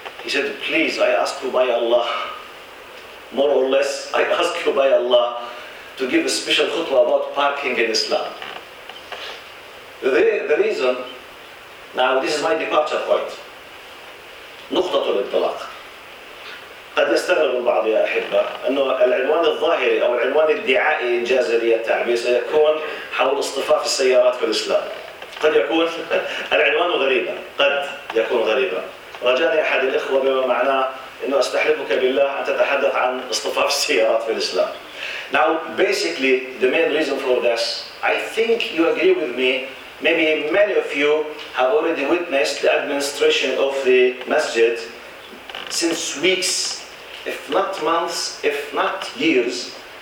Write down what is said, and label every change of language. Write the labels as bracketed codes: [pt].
[en] He said, please, I ask you by Allah. More or less, I ask you by Allah to give a special khutbah about parking in Islam. The reason, now this is my departure point. [ar] نقطة الانطلاق. قد يستغرب البعض يا أحبة أنه العنوان الظاهري أو العنوان الدعائي إن جاز لي التعبير سيكون حول اصطفاف السيارات في الإسلام. قد يكون العنوان غريبا، قد يكون غريبا. رجاني أحد الإخوة بما معناه أنه أستحلفك بالله أن تتحدث عن اصطفاف السيارات في الإسلام. [en] Now, basically, the main reason for this, I think you agree with me, maybe many of you have already witnessed the administration of the masjid since weeks, if not months, if not years.